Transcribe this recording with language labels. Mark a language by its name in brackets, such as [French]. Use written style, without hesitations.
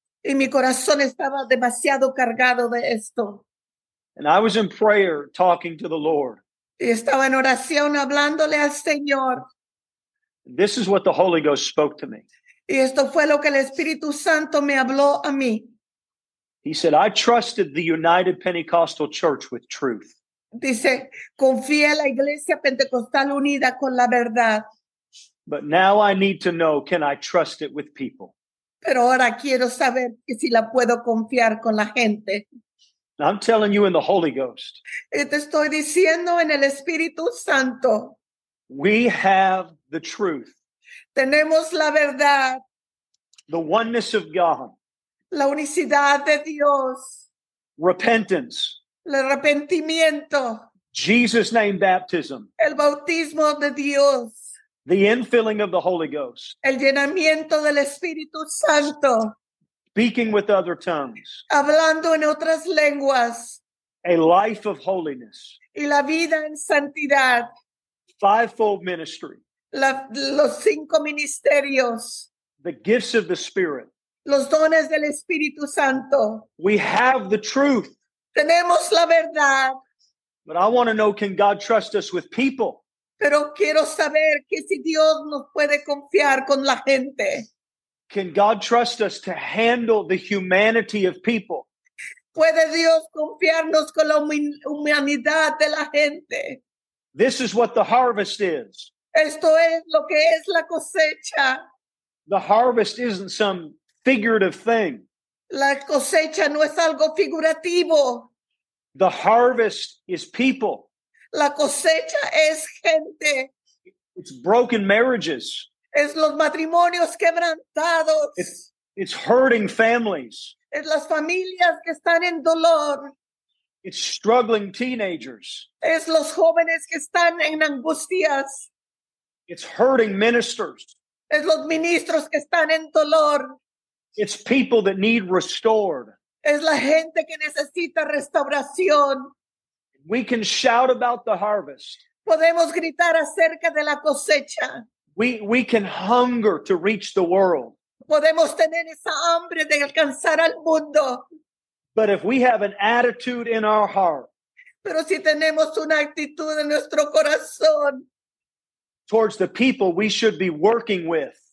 [Spanish] Y mi corazón estaba demasiado cargado de esto. [English] And I was in prayer talking to the Lord. [Spanish] Y estaba en oración hablándole al Señor. [English] This is what the Holy Ghost spoke to me. [Spanish] Y esto fue lo que el Espíritu Santo me habló a mí. [English] He said, I trusted the United Pentecostal Church with truth. [Spanish] Dice, confía en la Iglesia Pentecostal Unida con la verdad. [English] But now I need to know, can I trust it with people? [Spanish] Pero ahora quiero saber si la puedo confiar con la gente. [English] I'm telling you in the Holy Ghost. [Spanish] Y te estoy diciendo en el Espíritu Santo. [English] We have the truth. [Spanish] Tenemos la verdad. [English] The oneness of God. [Spanish] La unicidad de Dios. [English] Repentance. [Spanish] El arrepentimiento. [English] Jesus' name baptism. [Spanish] El bautismo de Dios. [English] The infilling of the Holy Ghost. [Spanish] El llenamiento del Espíritu Santo. [English] Speaking with other tongues. [Spanish] Hablando en otras lenguas. [English] A life of holiness. [Spanish] Y la vida en santidad. [English] Fivefold ministry. [Spanish] Los cinco ministerios. [English] The gifts of the Spirit. [Spanish] Los dones del Espíritu Santo. [English] We have the truth. [Spanish] Tenemos la verdad. [English] But I want to know, can God trust us with people? [Spanish] Pero quiero saber que si Dios nos puede confiar con la gente. [English] Can God trust us to handle the humanity of people? [Spanish] ¿Puede Dios confiarnos con la humanidad de la gente? [English] This is what the harvest is. [Spanish] Esto es lo que es la cosecha. [English] The harvest isn't some figurative thing. [Spanish] La cosecha no es algo figurativo. [English] The harvest is people. [Spanish] La cosecha es gente. [English] It's broken marriages. [Spanish] Es los matrimonios quebrantados. [English] It's hurting families. [Spanish] Es las familias que están en dolor. [English] It's struggling teenagers. [Spanish] Es los jóvenes que están en angustias. [English] It's hurting ministers. [Spanish] Es los ministros que están en dolor. [English] It's people that need restored. [Spanish] Es la gente que necesita restauración. [English] We can shout about the harvest. [Spanish] Podemos gritar acerca de la cosecha. [English] We can hunger to reach the world. [Spanish] Podemos tener esa hambre de alcanzar al mundo. [English] But if we have an attitude in our heart. [Spanish] Pero si tenemos una actitud en nuestro corazón. [English] Towards the people we should be working with.